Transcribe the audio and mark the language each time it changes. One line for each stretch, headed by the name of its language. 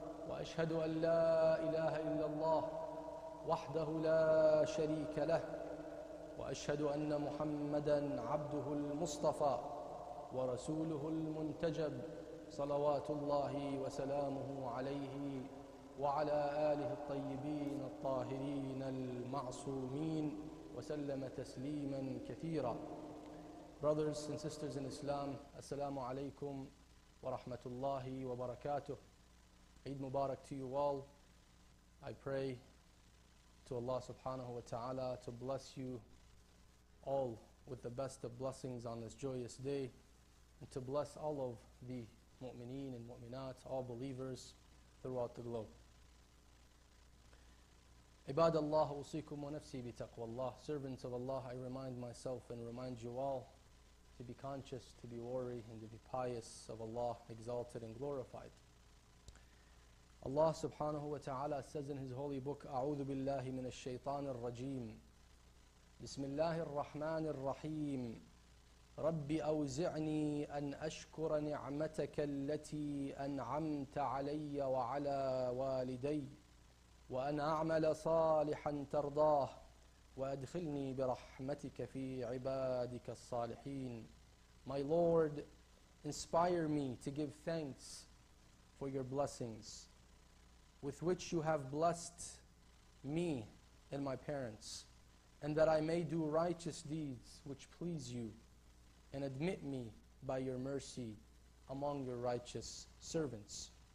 Arabic: وأشهد أن لا إله إلا الله وحده لا شريك له وأشهد أن محمدًا عبده المصطفى ورسوله المنتجب صلوات الله وسلامه عليه وعلى آله الطيبين الطاهرين المعصومين وسلم تسليمًا كثيرًا.
English: Brothers and sisters in Islam,
Arabic: السلام عليكم ورحمة الله وبركاته.
English: عيد مبارك to you all. I pray to Allah subhanahu wa ta'ala to bless you all with the best of blessings on this joyous day, and to bless all of the mu'mineen and mu'minat, all believers throughout the globe.
Arabic: Ibadallah, usikum wa nafsi bi taqwallah.
English: Servants of Allah, I remind myself and remind you all to be conscious, to be wary, and to be pious of Allah, exalted and glorified. Allah subhanahu wa ta'ala says in His holy book,
Arabic: A'udhu billahi min ash-shaytan ar-rajim. بسم الله الرحمن الرحيم. رب أوزعني أن أشكر نعمتك التي أنعمت علي وعلى والدي وأن أعمل صالحا ترضاه وأدخلني برحمتك في عبادك الصالحين.
English: My Lord, inspire me to give thanks for your blessings with which you have blessed me and my parents, and that I may do righteous deeds which please you, and admit me by your mercy among your righteous servants.